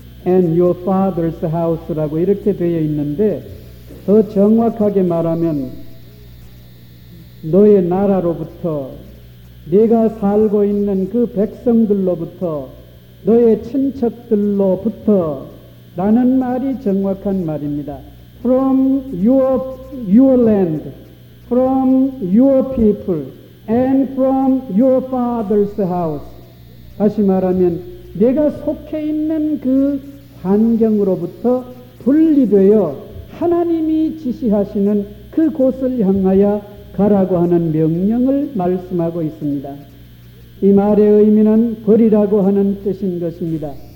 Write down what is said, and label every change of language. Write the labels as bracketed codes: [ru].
[en] and your father's house [ko] 라고 이렇게 되어 있는데 더 정확하게 말하면 너의 나라로부터, 네가 살고 있는 그 백성들로부터, 너의 친척들로부터 라는 말이 정확한 말입니다. [en] From your land, from your people and from your father's house. [ko] 다시 말하면 내가 속해 있는 그 환경으로부터 분리되어 하나님이 지시하시는 그 곳을 향하여 가라고 하는 명령을 말씀하고 있습니다. 이 말의 의미는 버리라고 하는 뜻인 것입니다.